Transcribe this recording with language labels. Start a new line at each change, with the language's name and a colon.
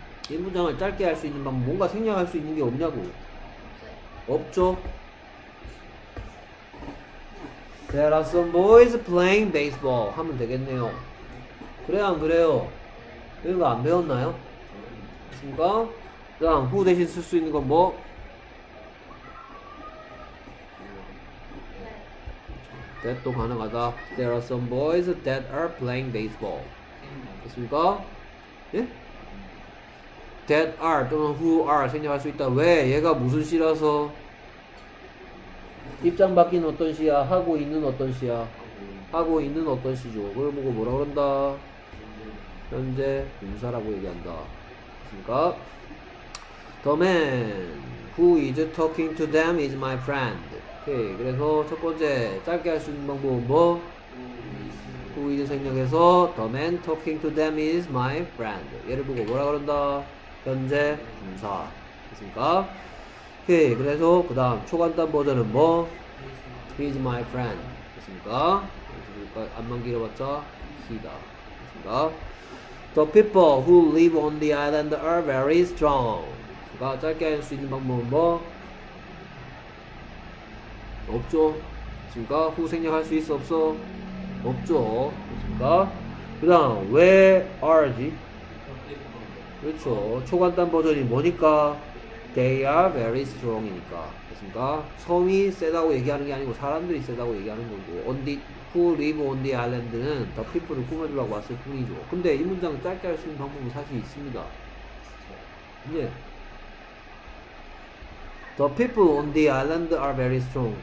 Korean: 이 문장을 짧게 할 수 있는 방법, 뭔가 생략할 수 있는 게 없냐고. 없죠?
English: There are some boys playing baseball
Korean: 하면 되겠네요. 그래 안 그래요? 이런 거 안 배웠나요? 그니까 그다음 who 대신 쓸 수 있는 건 뭐? 대도 가능하다.
English: There are some boys that are playing baseball.
Korean: 됐습니까? 예?
English: That are 또는 who are
Korean: 생략할 수 있다. 왜? 얘가 무슨 시라서? 입장 바뀐 어떤 시야? 하고 있는 어떤 시야? 하고 있는 어떤 시죠? 그걸 보고 뭐라 그런다? 현재 분사라고 얘기한다. 그러니까
English: The man who is talking to them is my friend.
Korean: 오케이. 그래서 첫 번째 짧게 할 수 있는 방법은 뭐?
English: Who is
Korean: 생략해서
English: The man talking to them is my friend.
Korean: 얘를 보고 뭐라 그런다? 현재 분사. 그렇습니까? 오케이. 그래서 그 다음 초간단 버전은 뭐?
English: He is my friend.
Korean: 그렇습니까? 그러니까 앞만 길어봤자 he다. 그렇습니까?
English: The people who live on the island are very strong.
Korean: 그러니까 짧게 할 수 있는 방법은 뭐? 없죠. 그러니까 who 생략할 수 있어 없어? 없죠. 그러니까 그다음 왜 are지? 그렇죠. 초간단 버전이 뭐니까?
English: They are very strong
Korean: 이니까. 그렇습니까? 섬이 세다고 얘기하는 게 아니고 사람들이 세다고 얘기하는 거고.
English: On the Who live on the island는 the people를
Korean: 꾸며주려고 왔을 뿐이죠. 근데 이 문장 짧게 할 수 있는 방법은 사실 있습니다. 네.
English: The people on the island are very strong.